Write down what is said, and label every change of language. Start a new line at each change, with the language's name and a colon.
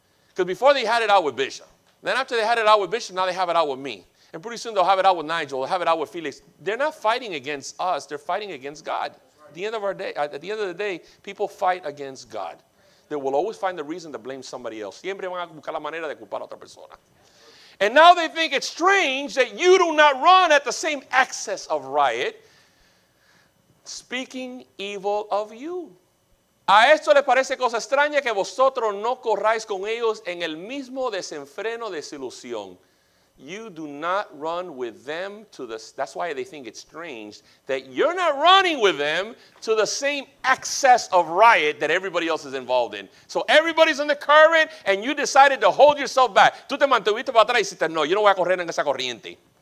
English: Because before they had it out with Bishop. Then after they had it out with Bishop, now they have it out with me. And pretty soon they'll have it out with Nigel. They'll have it out with Felix. They're not fighting against us. They're fighting against God. Right. At the end of our day, at the end of the day, people fight against God. They will always find the reason to blame somebody else.
Spanish: Siempre van a buscar la manera de culpar a otra persona.
English: And now they think it's strange that you do not run at the same excess of riot, speaking evil of you.
Spanish: A esto les parece cosa extraña que vosotros no corráis con ellos en el mismo desenfreno de desilusión.
English: You do not run with them to the, that's why they think it's strange that you're not running with them to the same excess of riot that everybody else is involved in. So everybody's in the current and you decided to hold yourself back.
Spanish: Tú te mantuviste para atrás y dijiste, no, yo no voy a correr en esa corriente.